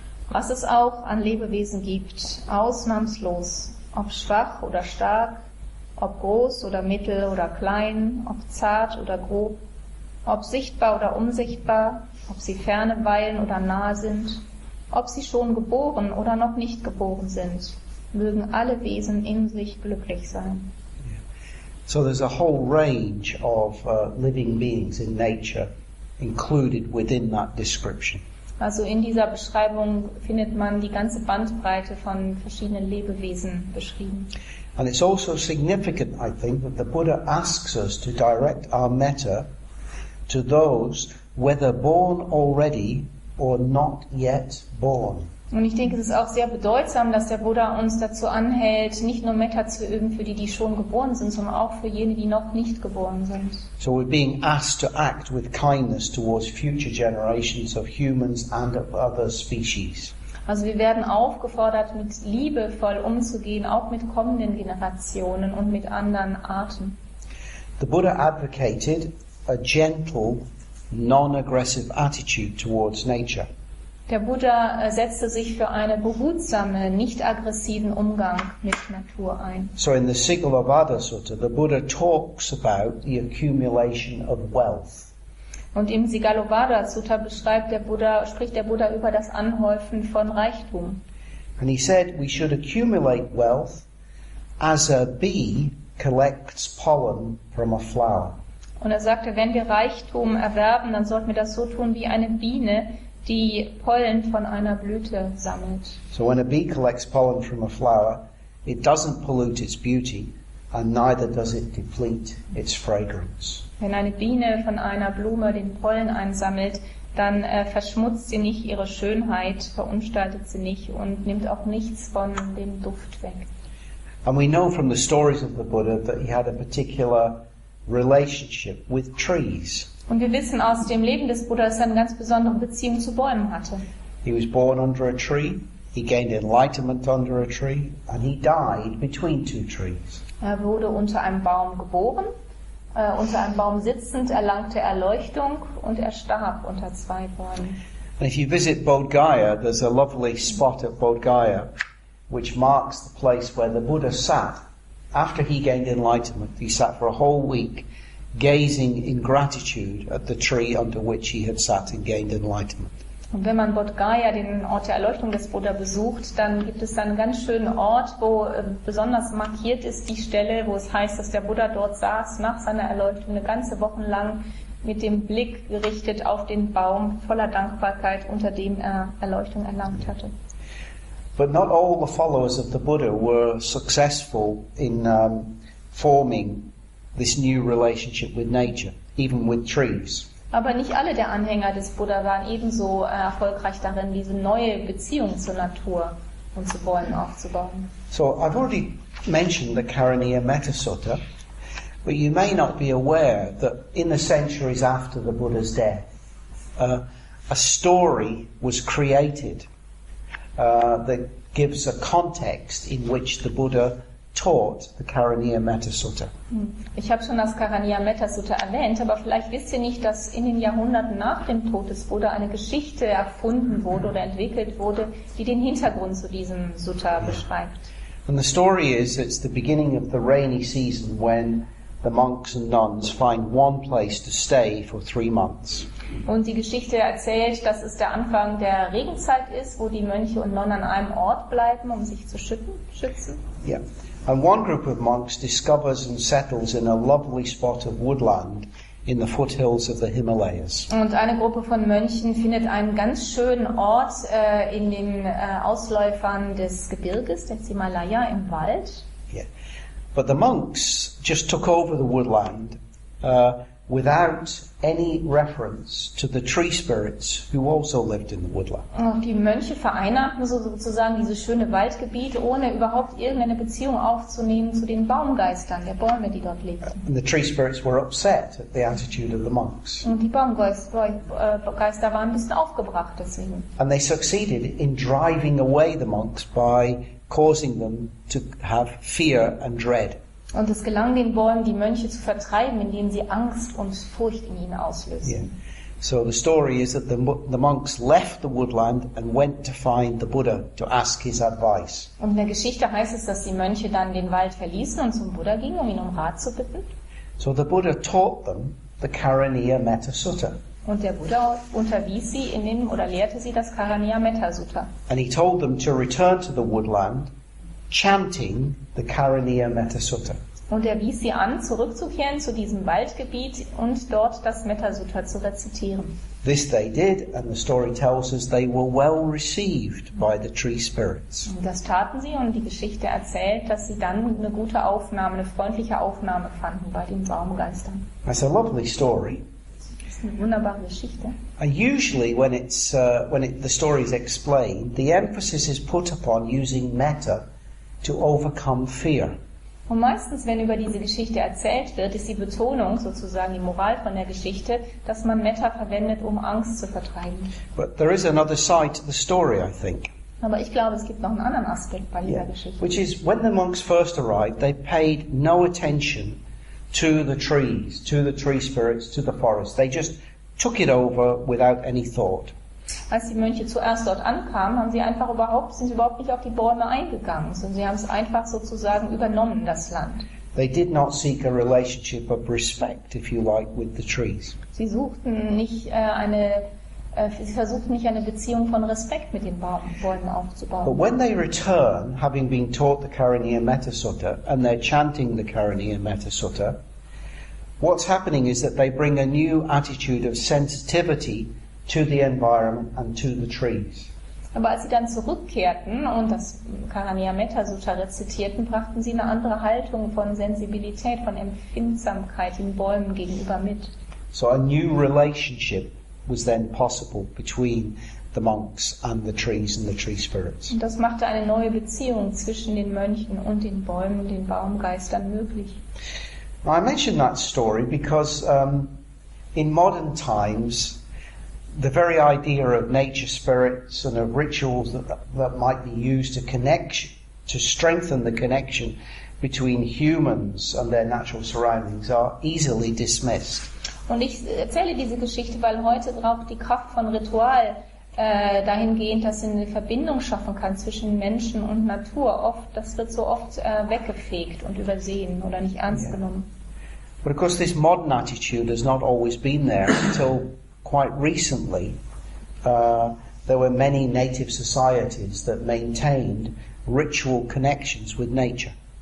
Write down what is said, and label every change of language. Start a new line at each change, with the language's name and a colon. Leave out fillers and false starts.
German: Was es auch an Lebewesen gibt, ausnahmslos, ob schwach oder stark, ob groß oder mittel oder klein, ob zart oder grob, ob sichtbar oder unsichtbar, ob sie ferne weilen oder nahe sind, ob sie schon geboren oder noch nicht geboren sind, mögen alle Wesen in sich glücklich sein.
English: So there's a whole range of living beings in nature included within that description.
German: Also in dieser Beschreibung findet man die ganze Bandbreite von verschiedenen Lebewesen beschrieben.
English: And it's also significant, I think, that the Buddha asks us to direct our metta to those, whether born already or not yet born.
German: Und ich denke, es ist auch sehr bedeutsam, dass der Buddha uns dazu anhält, nicht nur Metta zu üben für die schon geboren sind, sondern auch für jene, die noch nicht geboren sind.
English: So we're being asked to act with kindness towards future generations of humans and of other species.
German: Also wir werden aufgefordert, mit Liebe voll umzugehen, auch mit kommenden Generationen und mit anderen Arten.
English: The Buddha advocated a gentle, non-aggressive attitude towards nature.
German: Der Buddha setzte sich für einen behutsamen, nicht aggressiven Umgang mit Natur ein.
English: So in the Sigillavada Sutta, the Buddha talks about the accumulation of wealth.
German: Und im Sigillavada Sutta spricht der Buddha über das Anhäufen von Reichtum.
English: And he said we should accumulate wealth as a bee collects pollen from a flower.
German: Und er sagte, wenn wir Reichtum erwerben, dann sollten wir das so tun wie eine Biene, die Pollen von einer Blüte sammelt.
English: So when a bee collects pollen from a flower, it doesn't pollute its beauty and neither does it deplete its fragrance.
German: Wenn eine Biene von einer Blume den Pollen einsammelt, dann verschmutzt sie nicht ihre Schönheit, verunstaltet sie nicht und nimmt auch nichts von dem Duft weg.
English: And we know from the stories of the Buddha that he had a particular relationship with trees.
German: Und wir wissen aus dem Leben des Buddha, dass er eine ganz besondere Beziehung zu Bäumen hatte.
English: He was born under a tree, he gained enlightenment under a tree, and he died between two trees.
German: Er wurde unter einem Baum geboren, unter einem Baum sitzend erlangte Erleuchtung und er starb unter zwei Bäumen.
English: And if you visit Bodh Gaya, there's a lovely spot at Bodh Gaya, which marks the place where the Buddha sat. After he gained enlightenment, he sat for a whole week gazing in gratitude at the tree under which he had sat and gained enlightenment.
German: Und wenn man Bodh Gaya, den Ort der Erleuchtung des Buddha, besucht, dann gibt es da einen ganz schönen Ort, wo besonders markiert ist die Stelle, wo es heißt, dass der Buddha dort saß nach seiner Erleuchtung eine ganze Woche lang mit dem Blick gerichtet auf den Baum voller Dankbarkeit, unter dem er Erleuchtung erlangt hatte.
English: But not all the followers of the Buddha were successful in forming this new relationship with nature, even with trees.
German: Aber nicht alle der Anhänger des Buddha waren ebenso erfolgreich darin, diese neue Beziehung zur Natur und zu Bäumen aufzubauen.
English: So, I've already mentioned the Karaniya Metta Sutta, but you may not be aware that in the centuries after the Buddha's death, a story was created that gives a context in which the Buddha taught the Karaniya Metta Sutta.
German: Ich habe schon das Karaniya Metta Sutta erwähnt, aber vielleicht wisst ihr nicht, dass in den Jahrhunderten nach dem Tod des Buddha eine Geschichte erfunden wurde oder entwickelt wurde, die den Hintergrund zu diesem Sutta beschreibt.
English: And the story is, it's the beginning of the rainy season when the monks and nuns find one place to stay for 3 months.
German: Und die Geschichte erzählt, dass es der Anfang der Regenzeit ist, wo die Mönche und Nonnen an einem Ort bleiben, um sich zu schützen. Yeah.
English: And one group of monks discovers and settles in a lovely spot of woodland in the foothills of the Himalayas.
German: Und eine Gruppe von Mönchen findet einen ganz schönen Ort in den Ausläufern des Gebirges, des Himalaya, im Wald. Yeah.
English: But the monks just took over the woodland without any reference to the tree spirits who also lived in the woodland.
German: Die Mönche vereinnahmten sozusagen dieses schöne Waldgebiet, ohne überhaupt irgendeine Beziehung aufzunehmen zu den Baumgeistern, der Bäume, die dort lebten.
English: And the tree spirits were upset at the attitude of the monks.
German: Und die Baumgeister waren ein bisschen aufgebracht deswegen.
English: And they succeeded in driving away the monks by causing them to have fear and dread.
German: Und es gelang den Bäumen, die Mönche zu vertreiben, indem sie Angst und Furcht in ihnen auslösten. Yeah.
English: So the story is that the monks left the woodland and went to find the Buddha to ask his advice.
German: Und in der Geschichte heißt es, dass die Mönche dann den Wald verließen und zum Buddha gingen, um ihn um Rat zu bitten.
English: So the Buddha taught them the Karaniya Metta Sutta.
German: Und der Buddha unterwies sie in dem oder lehrte sie das Karaniya Metta Sutta.
English: And he told them to return to the woodland chanting the Karaniya Metta Sutta.
German: Und wies sie an, zurückzukehren zu diesem Waldgebiet und dort das Metta Sutta zu rezitieren.
English: This they did, and the story tells us they were well received by the tree spirits.
German: Und das taten sie, und die Geschichte erzählt, dass sie dann eine gute Aufnahme, eine freundliche Aufnahme fanden bei den Baumgeistern.
English: That's a lovely story.
German: Eine wunderbare Geschichte.
English: And usually when it's the story is explained, the emphasis is put upon using metta to overcome fear.
German: Und meistens, wenn über diese Geschichte erzählt wird, ist die Betonung, sozusagen die Moral von der Geschichte, dass man Metta verwendet, um Angst zu vertreiben.
English: But there is another side to the story, I think.
German: Aber ich glaube, es gibt noch einen anderen Aspekt bei dieser Geschichte.
English: Which is, when the monks first arrived, they paid no attention to the trees, to the tree spirits, to the forest. They just took it over without any thought.
German: Als die Mönche zuerst dort ankamen, haben sie einfach sind sie überhaupt nicht auf die Bäume eingegangen, sondern sie haben es einfach sozusagen übernommen, das Land.
English: They did not seek a relationship of respect, if you like, with the trees.
German: Sie suchten nicht eine Sie versuchten nicht eine Beziehung von Respekt mit den Bäumen aufzubauen.
English: But when they return, having been taught the Karaniya Metta Sutta, and they're chanting the Karaniya Metta Sutta, what's happening is that they bring a new attitude of sensitivity to the environment and to the trees.
German: Aber als sie dann zurückkehrten und das Karaniya Metta Sutta rezitierten, brachten sie eine andere Haltung von Sensibilität, von Empfindsamkeit den Bäumen gegenüber mit.
English: So a new relationship was then possible between the monks and the trees and the tree spirits.
German: Und das machte eine neue Beziehung zwischen den Mönchen und den Bäumen, den Baumgeistern möglich.
English: Now I mention that story because in modern times the very idea of nature spirits and of rituals that might be used to strengthen the connection between humans and their natural surroundings are easily dismissed.
German: Und ich erzähle diese Geschichte, weil heute braucht die Kraft von Ritual dahingehend, dass sie eine Verbindung schaffen kann zwischen Menschen und Natur. Oft, das wird so oft weggefegt und übersehen oder nicht ernst genommen.
English: But of course this modern attitude has not always been there until quite recently. There were many native societies that maintained ritual connections with nature.